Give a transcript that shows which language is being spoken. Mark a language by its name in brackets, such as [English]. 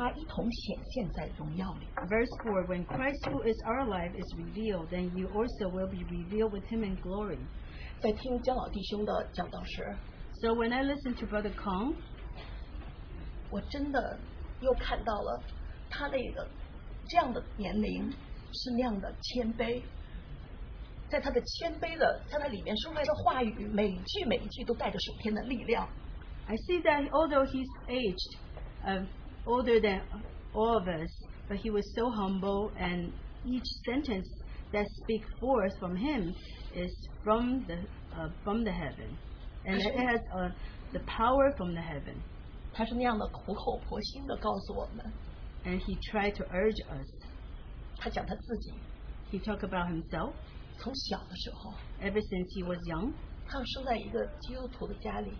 [Chinese] 基督是我们的生命，他显现的时候，你们也要与他一同显现在荣耀里。Verse [English] 4, when Christ, who is our life, is revealed, then you also will be revealed with him in glory. [Chinese] 在听江老弟兄的讲道时, [English] so when I listen to Brother Kong, [Chinese] 我真的又看到了他那个这样的年龄是那样的谦卑。在他的谦卑的，在他里面说出来的话语，每句每一句都带着属天的力量。I [English] see that although he's aged, older than all of us, but he was so humble, and each sentence that speak forth from him is from the heaven, and it has the power from the heaven. [Chinese] 他是那样的苦口婆心的告诉我们。 [English] And he tried to urge us. [Chinese] 他讲他自己。 [English] he talk about himself? [Chinese] 从小的时候, [English] ever since he was young, [Chinese] 他生在一个基督徒的家里,